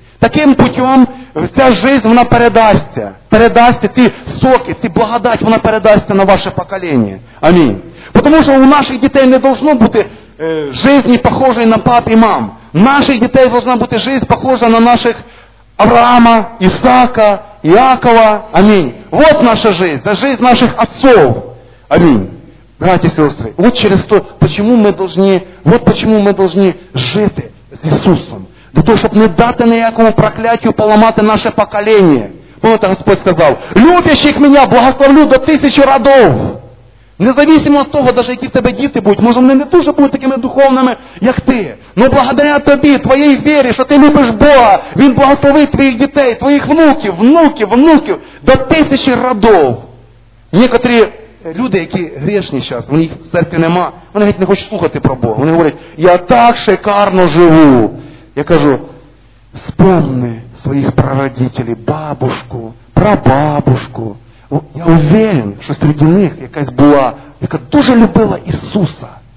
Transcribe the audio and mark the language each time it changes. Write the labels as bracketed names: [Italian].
[Ukrainian] Таким путем ця життя, вона передасться. Передасться ці соки, ці благодать, вона передасться на ваше покоління. Амінь. Тому що у наших дітей не должно бути життя похожої на пап і мам. Наших дітей повинна бути життя похожа на наших Авраама, Ісака, Іакова. Амінь. От наша життя, життя наших отців. Амінь. [Russian] Братья и сестры, вот через то, почему мы должны, вот почему мы должны жить с Иисусом. Для того, чтобы не дать никакому проклятию поломать наше поколение. Вот это Господь сказал. Любящих меня благословлю до тысячи родов. Независимо от того, даже какие в тебе дети будут, может, они не дуже будут такими духовными, как ты. Но благодаря тебе, твоей вере, что ты любишь Бога, Он благословит твоих детей, твоих внуков, внуков до тысячи родов. [Ukrainian] Некоторые люди, які грішні зараз, в них церкви нема, вони геть не хочуть слухати про Бога. Вони говорять, я так шикарно живу. Я кажу, спомни своїх прародителей, бабушку, прабабушку. Я уверен, що серед них якась була, яка дуже любила Ісуса.